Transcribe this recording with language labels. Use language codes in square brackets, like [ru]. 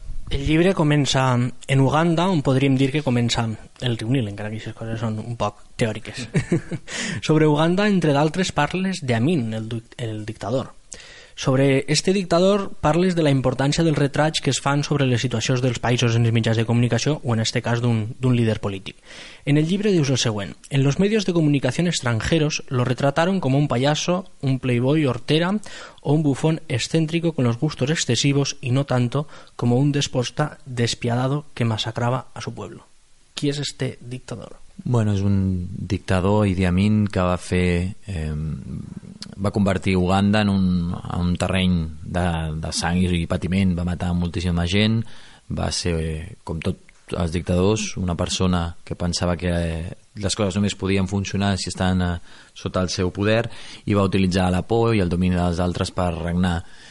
[ca] El llibre comença en Uganda, on podríem dir que comença el riu Nil, encara que aquestes coses són un poc teòriques. Sobre Uganda, entre d'altres, parles d'Amin, el dictador. Sobre este dictador parles de la importància dels retrats que es fan sobre les situacions dels països en els mitjans de comunicació o en este cas d'un líder polític. En el llibre dius el següent: [es] en los medios de comunicación extranjeros lo retrataron como un payaso, un playboy hortera o un bufón excéntrico con los gustos excesivos y no tanto como un déspota despiadado que masacraba a su pueblo. [ca] ¿Qui és este dictador? Bueno, és un dictador, Idi Amin, que va fer va convertir Uganda en un terreny de sang i patiment, va matar moltíssima gent, va ser, com tots els dictadors, una persona que pensava que les coses només podien funcionar si estaven sota el seu poder i va utilitzar la por i el domini dels altres per regnar.